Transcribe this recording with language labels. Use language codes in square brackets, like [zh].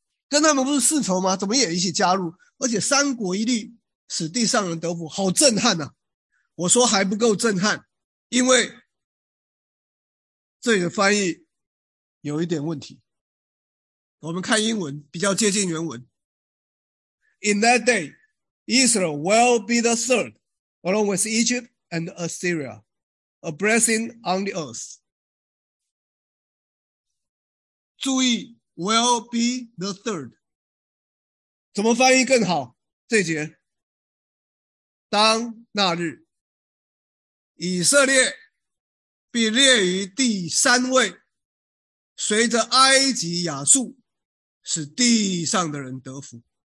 [zh] 跟他们不是世仇吗？怎么也一起加入？而且三国一律使地上人得福，好震撼啊。我说还不够震撼，因为这里的翻译有一点问题。我们看英文比较接近原文。 [en] In that day, Israel will be the third, along with Egypt and Assyria, a blessing on the earth. [zh] 注意 [en] will be the third. [zh] 怎么翻译更好？这节，当那日，以色列必列于第三位，随着埃及亚述，使地上的人得福。